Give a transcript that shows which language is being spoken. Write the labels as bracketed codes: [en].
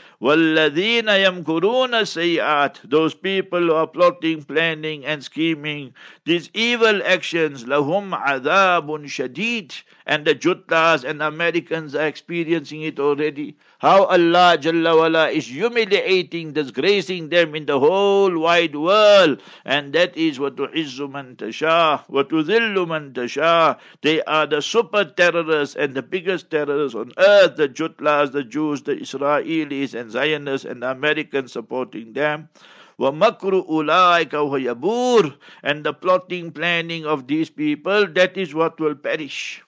[ar] وَالَّذِينَ يَمْكُرُونَ السَّيِّئَاتِ, [en] those people who are plotting, planning and scheming these evil actions, [ar] لَهُمْ عَذَابٌ شَدِيدٌ. [en] And the Juttas and Americans are experiencing it already. How Allah Jalla Wala is humiliating, disgracing them in the whole wide world. And that is what [ar] وَتُعِزُّ مَنْ تَشَاءُ وَتُذِلُّ مَنْ تَشَاءُ. [en] They are the super terrorists and the biggest terrorists on earth, the Juttas, the Jews, the Israelis and Zionists and the Americans supporting them. [ar] وَمَكْرُ أُولَٰئِكَ وَيَبُورُ, [en] and the plotting, planning of these people, that is what will perish.